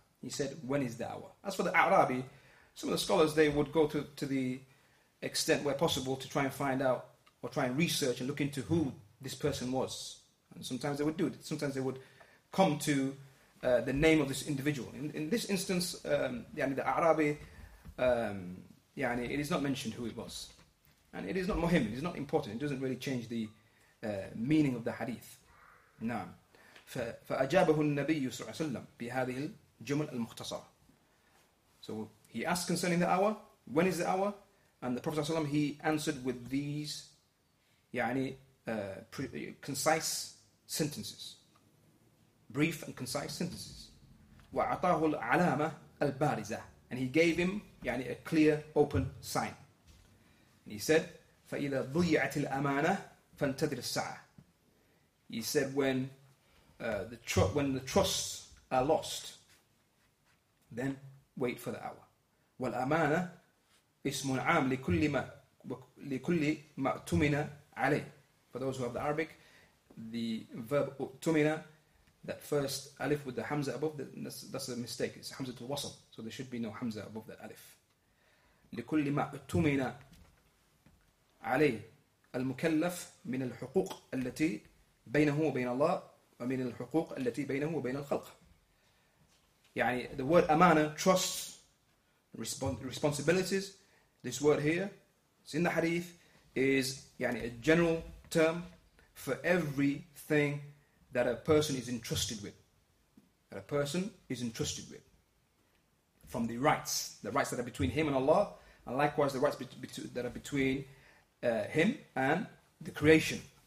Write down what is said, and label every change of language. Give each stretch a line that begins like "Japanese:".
English: He said, when is the hour? As for the A'rabi, some of the scholars, they would go to the extent where possible to try and find out, or try and research and look into who this person was. And sometimes they would do it. Sometimes they would come to the name of this individual. In this instance, يعني the A'rabi, يعني it is not mentioned who it was. And it is not muhim, it is not important. It doesn't really change the meaning of the hadith.
Arabic: نعم. فأجابه النبي صلى الله عليه وسلم بهذه الجمل المختصرة.
English: So he asked concerning the hour, when is the hour? And the Prophet ﷺ, he answered with these يعني concise sentences, brief and concise sentences.
Arabic: وَعَطَاهُ الْعَلَامَةَ الْبَارِزَةَ,
English: and he gave him يعني a clear, open sign. And he said,
Arabic: فَإِذَا ضُيَّعَتِ الْأَمَانَةَ فَانْتَدِرْ السَّعَةَ.
English: He said, when the trusts are lost, then wait for the hour.
Arabic: والأمانة اسم عام لكل ما اؤتمن عليه.
English: For those who have the Arabic, the verb اؤتمنه, that first alif with the hamza above, that's a mistake. It's hamza to wasl, so there should be no hamza above that alif.
Arabic: لكل ما اؤتمن عليه المكلف من الحقوق التي بينه وبين الله ومن الحقوق التي بينه وبين الخلق.
English: يعني the word amana, trust, responsibilities, this word here, it's in the hadith, is يعني a general term for everything that a person is entrusted with. That a person is entrusted with. From the rights that are between him and Allah, and likewise the rights that are between him and the creation.